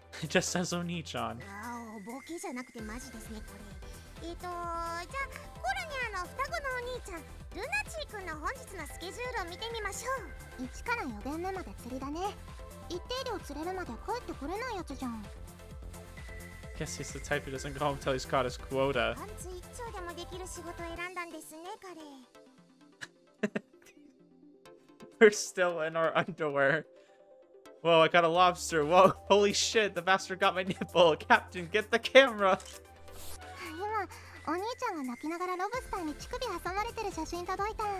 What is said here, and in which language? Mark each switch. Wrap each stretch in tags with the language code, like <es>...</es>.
<en>It just says お兄ちゃん。</en> <ja>ああ、ボケじゃなくてマジですね、これ。じゃあ、コルニャの双子のお兄ちゃん。ルナチー君の本日のスケジュールを見てみましょう。 1から4限目まで釣りだね。一定量釣れるまで帰ってこれないやつじゃん。</ja> <en>Guess he's the type who doesn't go home until he's caught his quota.</en> <ja>パンツ一丁でもできる仕事を選んだんですね、彼。</ja> <en>We're still in our underwear. Whoa, I got a lobster. Whoa, holy shit, the bastard got my nipple. Captain, get the camera!</en> <ja>今お兄ちゃんが泣きながらロブスターに乳首挟まれてる写真届いた。</ja>